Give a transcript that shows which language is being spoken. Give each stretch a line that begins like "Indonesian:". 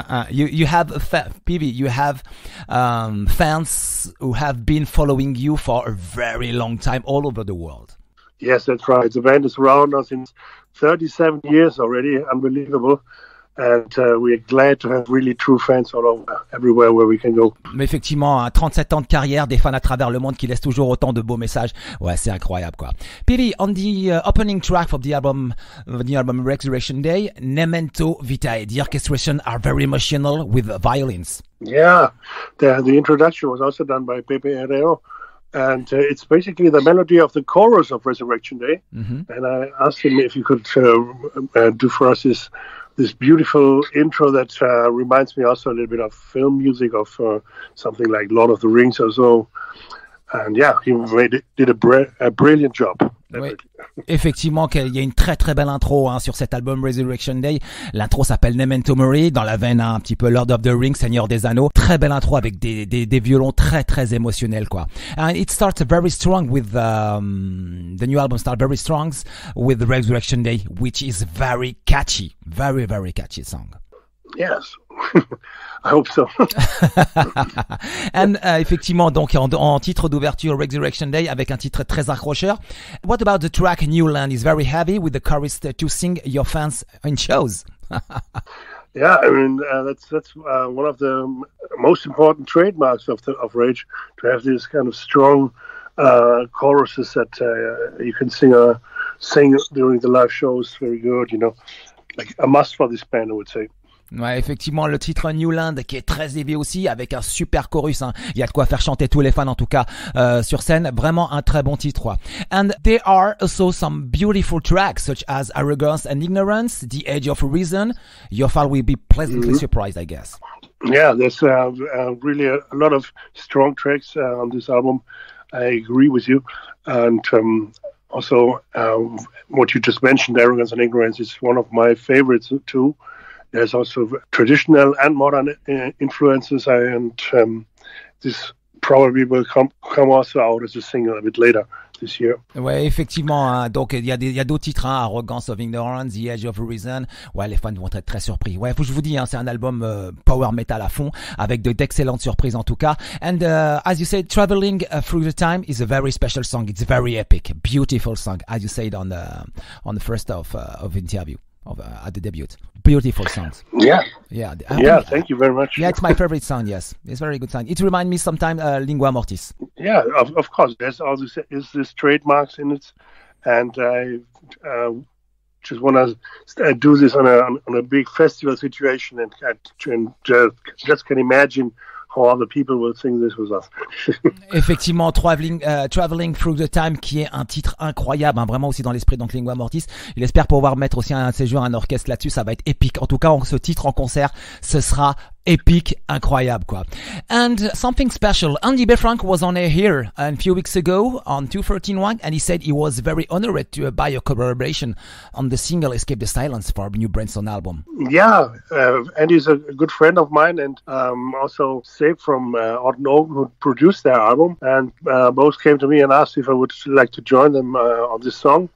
English: You have a Peavy, you have fans who have been following you for a very long time all over the world. Yes, that's right. The band is around us in 37 years already. Unbelievable. And we are glad to have really true fans all over, everywhere where we can go.
French: Mais effectivement, hein, 37 ans de carrière, des fans à travers le monde qui laissent toujours autant de beaux messages. Ouais, c'est incroyable, quoi.
English: Peavy, on the opening track of the album Resurrection Day, Memento Vitae, the orchestration are very emotional with violins. Yeah, the introduction was also done by Pepe Herrero. And it's basically the melody of the chorus of Resurrection Day. Mm-hmm. And I asked him if he could do for us this beautiful intro that reminds me also a little bit of film music of something like Lord of the Rings or so. And yeah, he did a brilliant job.
French: Oui. Effectivement, qu'il y a une très très belle intro hein, sur cet album Resurrection Day. L'intro s'appelle Memento Mori, dans la veine hein, un petit peu Lord of the Rings, Seigneur des Anneaux. Très belle intro avec des violons très très émotionnels, quoi.
English: And it starts very strong with the new album starts very strong with Resurrection Day, which is very catchy, very very catchy song. Yes. I hope so.
French: And effectivement, donc en titre d'ouverture, Resurrection Day, avec un titre très accrocheur.
English: What about the track New Land? Is very heavy with the chorus to sing your fans in shows. Yeah, I mean that's one of the most important trademarks of Rage, to have these kind of strong choruses that you can sing during the live shows. Very good, you know, like a must for this band, I would say.
French: Ouais, effectivement, le titre New Land qui est très heavy aussi, avec un super chorus. Hein. Il y a de quoi faire chanter tous les fans, en tout cas, sur scène. Vraiment un très bon titre. Ouais.
English: And there are also some beautiful tracks, such as Arrogance and Ignorance, The Age of Reason. Your fans will be pleasantly mm-hmm. surprised, I guess. Yeah, there's really a lot of strong tracks on this album. I agree with you. And also, what you just mentioned, Arrogance and Ignorance, is one of my favorites too. There's also traditional and modern influences, and this probably will come also out as a single a bit later this year.
French: Ouais, effectivement. Hein, donc il y a d'autres titres, hein, Arrogance of Ignorance, The Edge of Reason. Ouais, les fans vont être très surpris. Ouais, faut que je vous dis, hein, c'est un album power metal à fond, avec d'excellentes surprises en tout cas.
English: And as you said, Traveling Through the Time is a very special song. It's a very epic, beautiful song, as you said on the first of interview. At the debut, beautiful songs. Thank you very much. Yeah, it's my favorite song. Yes, it's a very good song. It reminds me sometimes Lingua Mortis. Yeah, of course. There's all this trademarks in it, and I just want to do this on a big festival situation, and just can imagine how other people will sing this with us.
French: Effectivement, Traveling Through the Time, qui est un titre incroyable, hein, vraiment aussi dans l'esprit, donc Lingua Mortis. Il espère pouvoir mettre aussi un séjour, un orchestre là-dessus, ça va être épique. En tout cas, ce titre en concert, ce sera epic, incroyable, quoi.
English: And something special, Andy Befranc was on air here a few weeks ago on 213.1, and he said he was very honored to buy your collaboration on the single Escape the Silence for a new Branson album. Yeah, Andy's a good friend of mine, and also Sept from Odd Nogen, who produced their album, and both came to me and asked if I would like to join them on this song.